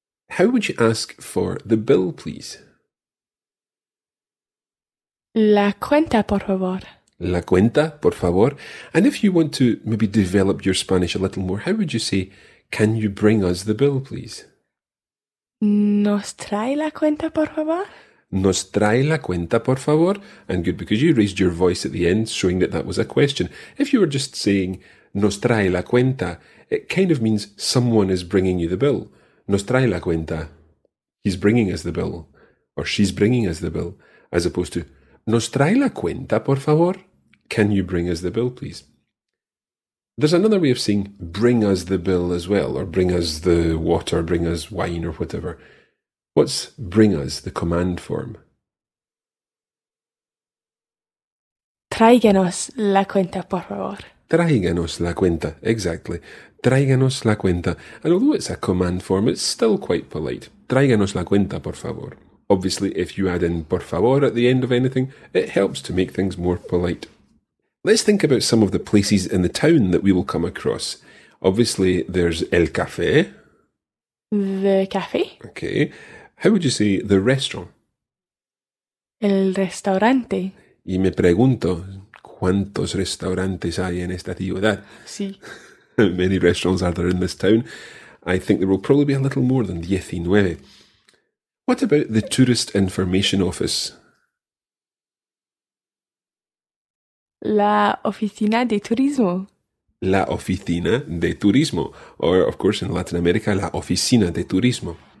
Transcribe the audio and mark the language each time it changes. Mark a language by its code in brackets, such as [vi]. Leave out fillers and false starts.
[en] How would you ask for the bill, please? [es] La cuenta, por favor. La cuenta, por favor. [en] And if you want to maybe develop your Spanish a little more, how would you say, can you bring us the bill, please? [es] Nos trae la cuenta, por favor. Nos trae la cuenta, por favor. [en] And good, because you raised your voice at the end, showing that that was a question. If you were just saying, [es] nos trae la cuenta, [en] it kind of means someone is bringing you the bill. [es] Nos trae la cuenta. [en] He's bringing us the bill. Or she's bringing us the bill. As opposed to, [es] nos trae la cuenta, por favor. [en] Can you bring us the bill, please? There's another way of saying bring us the bill as well, or bring us the water, bring us wine or whatever. What's bring us, the command form? [es] Tráiganos la cuenta, por favor. Tráiganos la cuenta, exactly. Tráiganos la cuenta. [en] And although it's a command form, it's still quite polite. [es] Tráiganos la cuenta, por favor. [en] Obviously, if you add in por favor at the end of anything, it helps to make things more polite. Let's think about some of the places in the town that we will come across. Obviously, there's el café. The café. Okay. How would you say the restaurant? [es] El restaurante. Y me pregunto, ¿cuántos restaurantes hay en esta ciudad? Sí. [en] Many restaurants are there in this town. I think there will probably be a little more than 19. What about the tourist information office? [es] La oficina de turismo. La oficina de turismo. [en] Or, of course, in Latin America, [es] la oficina de turismo.